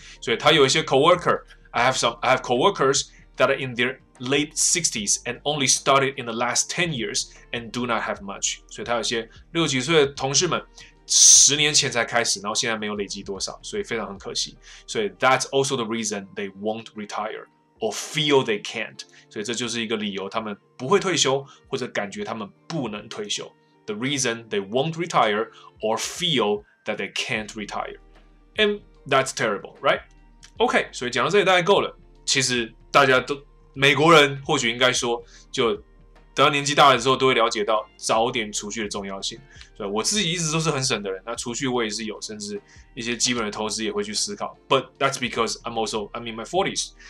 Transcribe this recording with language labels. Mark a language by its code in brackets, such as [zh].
[zh] 所以他有一些 [en] coworker， I have coworkers that are in their late 60s and only started in the last 10 years and do not have much。 [zh] 所以他有些六几岁的同事们十年前才开始，然后现在没有累积多少，所以非常很可惜。所以 [en] that's also the reason they won't retireOr feel they can't， [zh] 所以这就是一个理由，他们不会退休，或者感觉他们不能退休。 [en] The reason they won't retire or feel that they can't retire， and that's terrible， right？ [zh] OK， 所以讲到这里大概够了。其实大家都美国人，或许应该说，就等到年纪大了之后，都会了解到早点储蓄的重要性。所以我自己一直都是很省的人，那储蓄我也是有，甚至一些基本的投资也会去思考。 [en] But that's because I'm in my 40s。